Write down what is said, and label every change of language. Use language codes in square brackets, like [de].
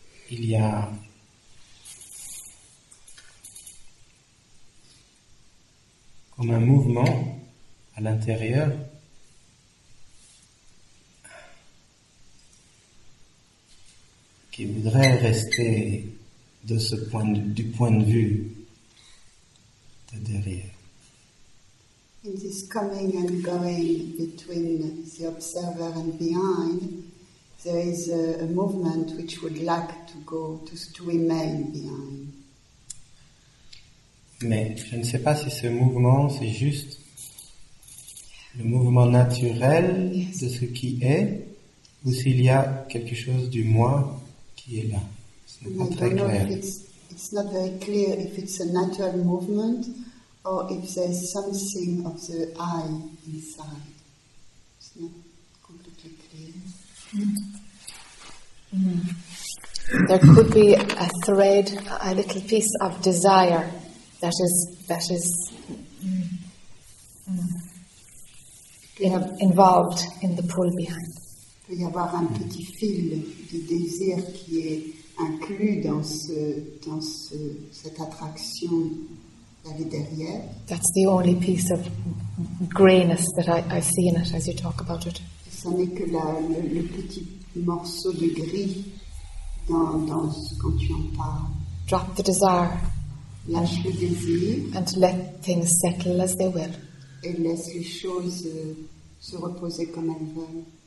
[fr] Il y a comme un mouvement à l'intérieur qui voudrait rester de ce point de, du point de vue de derrière. [en] In this coming and going between the observer and behind, there is a movement which would like to go to remain behind. [fr] Mais je ne sais pas si ce mouvement, c'est juste le mouvement naturel de ce qui est, ou s'il y a quelque chose du moi qui est là. C'est pas très clair. [en] It's not very clear if it's a natural movement. Or if there's something of the I inside. It's not completely clean. There could be a thread, a little piece of desire that is involved in the pull behind. [fr] Peut y avoir un petit fil de désir qui est inclus dans cette attraction d'aller derrière. [en] That's the only piece of grayness that I see in it as you talk about it. [fr] Ça n'est que le petit morceau de gris dans quand tu en parles. [en] Drop the desire. [fr] Lâche le désir. [en] And let things settle as they will. [fr] Et laisse les choses se reposer comme elles veulent.